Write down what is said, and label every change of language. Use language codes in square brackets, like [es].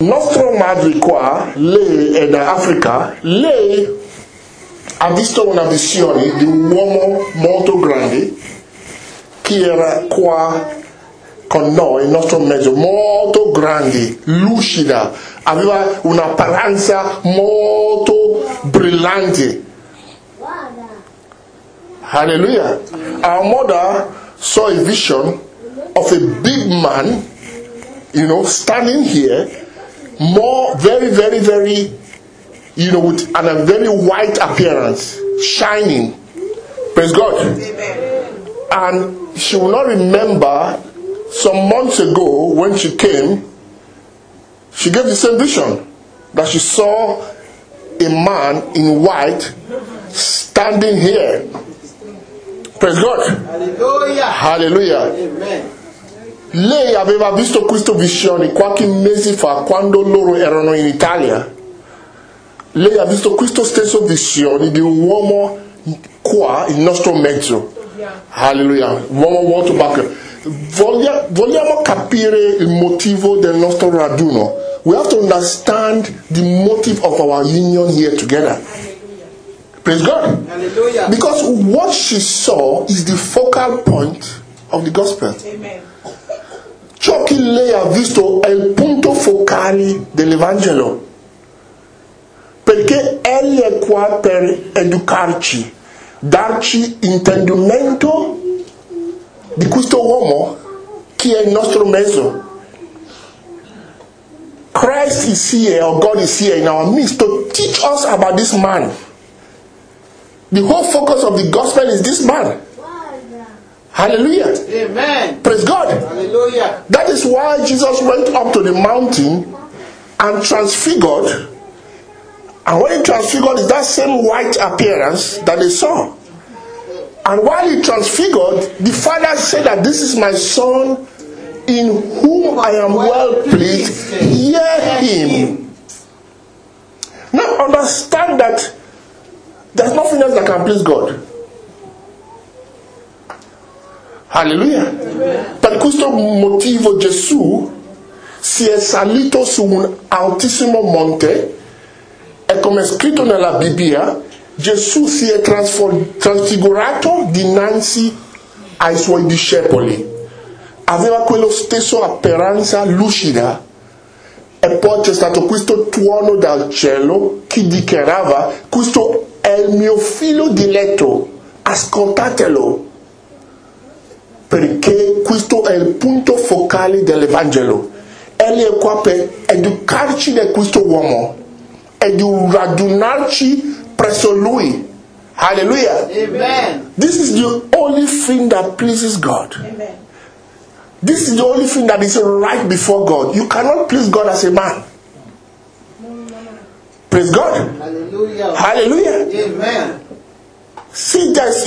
[it] Nostro madre qua, lei è da Africa, lei ha visto una visione di un uomo molto grande che era qua con noi, il nostro mezzo, molto grande, lucida, aveva un'apparenza molto brillante. Hallelujah. [en] Our mother saw a vision of a big man, you know, standing here, more very, very, very, you know, with and a very white appearance, shining. Praise God. And she will not remember some months ago when she came, she gave the same vision that she saw a man in white standing here. Praise God. Hallelujah. Hallelujah. Amen. [it] Lei aveva visto questa visione qualche mese fa quando loro erano in Italia. Lei ha visto questa stessa visione di un uomo qua in nostro mezzo. Hallelujah. Uomo molto bacco. Vogliamo capire il motivo del nostro raduno. [en] We have to understand the motive of our union here together. Praise God. Hallelujah. Because what she saw is the focal point of the gospel. Amen. [it] Ciò che lei ha visto è il punto focale dell'Evangelo. Perché egli è qua per educarci, darci intendimento di questo uomo che è il nostro mezzo. [en] Christ is here, or God is here in our midst to teach us about this man. The whole focus of the gospel is this man. Hallelujah. Amen. Praise God. Hallelujah. That is why Jesus went up to the mountain and transfigured. And when he transfigured, it's that same white appearance that they saw. And while he transfigured, the Father said that this is my son in whom I am well pleased. Hear him. Now understand that there's nothing else that can please God. Hallelujah. [it] Per questo motivo Gesù si è salito su un altissimo monte e come è scritto nella Bibbia, Gesù si è trasfigurato dinanzi ai suoi discepoli. Aveva quello stesso apparenza lucida. E poi c'è stato questo tuono dal cielo che dichiarava: questo è il mio figlio diletto, ascoltatelo. Perché questo è il punto focale dell'Evangelo. Egli è qua per educarci da questo uomo e di radunarci presso lui. Hallelujah. Amen. [en] This is the only thing that pleases God. Amen. This is the only thing that is right before God. You cannot please God as a man. Praise God. Hallelujah. Hallelujah. Amen. See this.